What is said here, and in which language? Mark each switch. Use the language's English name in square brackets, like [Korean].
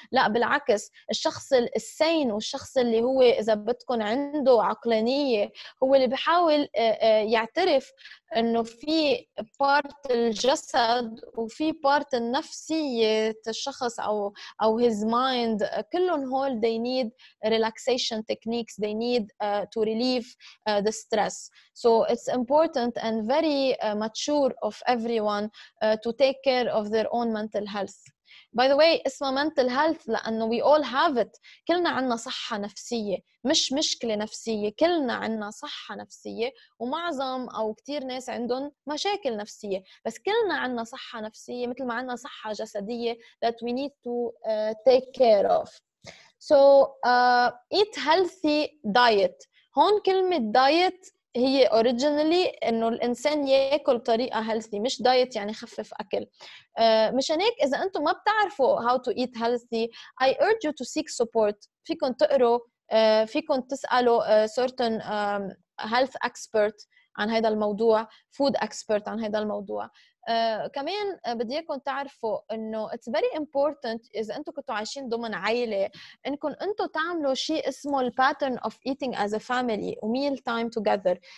[Arabic] لا بالعكس الشخص السين والشخص اللي هو إذا بدكن عنده عقلانية هو اللي بحاول يعترف إنه في بارت الجسد وفي بارت النفسية الشخص أو [English] his mind [Arabic] كلهم هول [English] they need relaxation techniques they need to relieve the stress. So it's important and very mature of everyone to take care of their own mental health. By the way اسمه mental health لأنه we all have it. [Arabic] كلنا عنا صحة نفسية مش مشكلة نفسية. كلنا عنا صحة نفسية ومعظم أو كتير ناس عندهم مشاكل نفسية بس كلنا عنا صحة نفسية مثل ما عنا صحة جسدية [English] that we need to take care of. So eat healthy diet. [Arabic] هون كلمة diet هي originally إنه الإنسان يأكل بطريقة healthy مش diet يعني خفف أكل. مشان هيك إذا أنتم ما بتعرفوا [English] how to eat healthy I urge you to seek support. [Arabic] فيكن تقروا فيكن تسألوا certain health expert عن هذا الموضوع, food expert عن هذا الموضوع. كمان بدي اياكم تعرفوا انه it's very important اذا انتم كنتوا عايشين ضمن عائله انكم انتم تعملوا شيء اسمه [English] pattern of eating as a family [Arabic] و [English] meal time together.